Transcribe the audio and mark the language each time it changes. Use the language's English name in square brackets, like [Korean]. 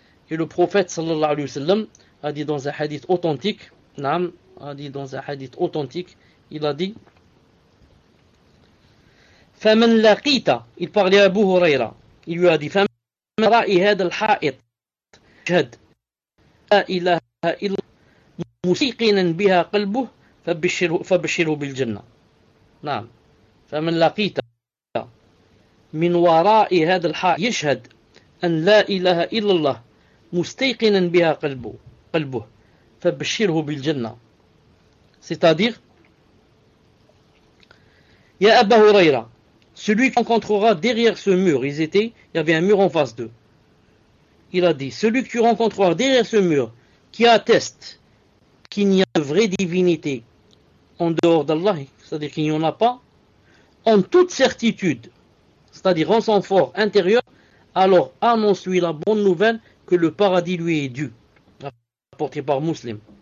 [French] Et le prophète sallallahu alayhi wa sallam a dit dans un hadith authentique, naam, a dit dans un hadith authentique, il a dit, [Arabic] فَمَنْ لَقِيْتَ, [French] il parlait à Abu Huraira, il lui a dit, [Arabic] فَمَنْ رَأِي هَذَا الْحَائِطِ جَهَدْ. La ilaha illallah musiqinan biha qalbuh فبشره بالجنة. نعم، فمن لقيت من وراء هذا الحائط يشهد أن لا إله إلا الله مستيقنا بها قلبه فبشره بالجنة. [French] C'est-à-dire [Arabic] يا أبا هريرة، [French] celui que tu rencontreras derrière ce mur, ils étaient, il y avait un mur en face d'eux. Il a dit, celui que tu rencontreras derrière ce mur, qui atteste qu'il n'y a de vraie divinité en dehors d'Allah, c'est-à-dire qu'il n'y en a pas, en toute certitude, c'est-à-dire en son fort intérieur, alors annonce-lui la bonne nouvelle que le paradis lui est dû, rapporté par Muslim.